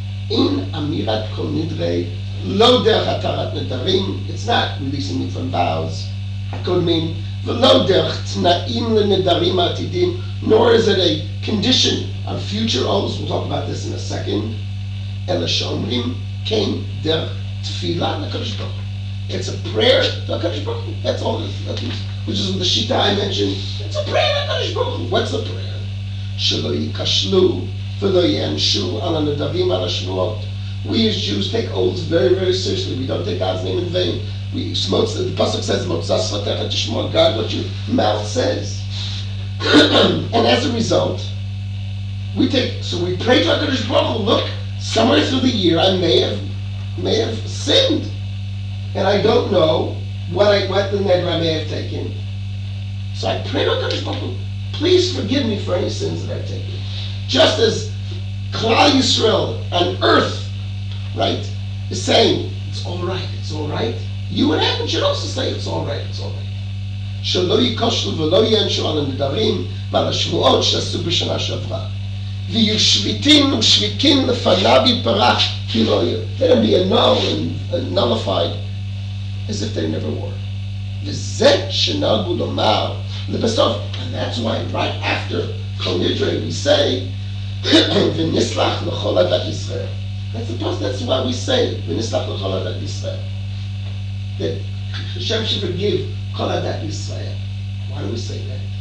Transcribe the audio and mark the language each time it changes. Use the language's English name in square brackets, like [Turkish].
[Hebrew] אין אמירת כל נדרי, לא דרך התרת נדרים, [English] it's not releasing me from vows, [Hebrew] הקודמים, ולא דרך תנאים לנדרים העתידים, [English] nor is it a condition of future oaths, we'll talk about this in a second, [Hebrew] אלא שאומרים, כן, דרך תפילה לקדוש ברוך הוא. [English] It's a prayer [Hebrew] לקדוש ברוך הוא. [English] That's all it is. Which is the shita I mentioned. It's a prayer [Hebrew] לקדוש ברוך הוא. [English] What's a prayer? [Hebrew] שלא ייכשלו ולא יענשו על הנדרים על השבועות. [English] We as Jews take oaths very, very seriously. We don't take God's name in vain. We, the pasuk says, [Hebrew] מוצא שפתיך תשמוע [English] God, what your mouth says. And as a result, we pray to HaKadosh Baruch Hu, look, somewhere through the year I may have sinned. And I don't know what the neder I may have taken. So I pray to HaKadosh Baruch Hu, please forgive me for any sins that I've taken. Just as Klal Yisrael on earth, right, is saying, it's all right, it's all right. You in heaven should also say, it's all right, it's all right. [Hebrew] שלא יקושלו ולא יענשו על הנדרים ועל השבועות שעשו בשנה שעברה. ויהיו שביטים ושביקים לפניו יפרח כי לא יהיו. [English] They're going to be annulled and nullified as if they never were. [Hebrew] וזה שנהגו לומר לבסוף. [English] And that's why right after [Hebrew] כל נדרי [English] we say [Hebrew] ונסלח לכל עדת ישראל. [English] That's why we say [Hebrew] ונסלח לכל עדת ישראל. [English] שם שפגיב כל עדת ישראל. Why do we say that?